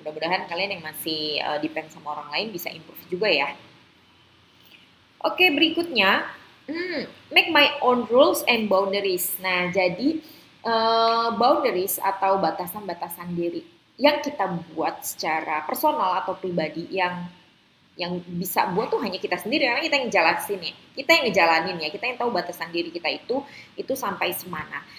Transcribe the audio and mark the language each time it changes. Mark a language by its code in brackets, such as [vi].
[id] Mudah-mudahan kalian yang masih depend sama orang lain bisa improve juga ya. Oke, berikutnya. [en] Make my own rules and boundaries. [id] Nah, jadi boundaries atau batasan-batasan diri yang kita buat secara personal atau pribadi, yang bisa buat tuh hanya kita sendiri, karena kita yang jelasin ya, kita yang ngejalanin ya, kita yang tahu batasan diri kita itu sampai semana.